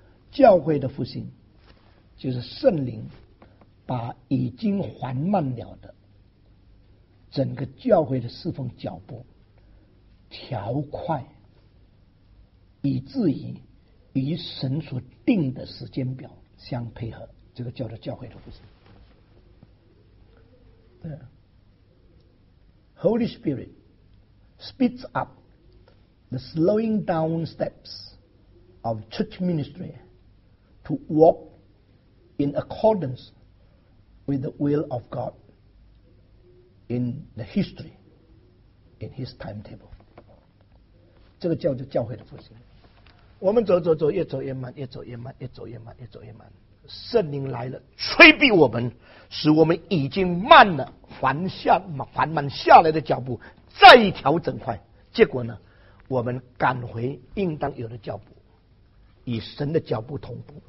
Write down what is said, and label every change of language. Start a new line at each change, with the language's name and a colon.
Chinese: 教会的复兴就是圣灵把已经缓慢了的整个教会的侍奉脚步调快，以至于与神所定的时间表相配合，这个叫做教会的复兴。
English: Holy Spirit speeds up the slowing down steps of church ministry to walk in accordance with the will of God in the history, in His timetable.
Chinese: 这个叫做教会的复兴。我们走走走，越走越慢，越走越慢，越走越慢，越走越慢。圣灵来了，催逼我们，使我们已经慢了，缓慢下来的脚步再调整快。结果呢，我们赶回应当有的脚步，与神的脚步同步。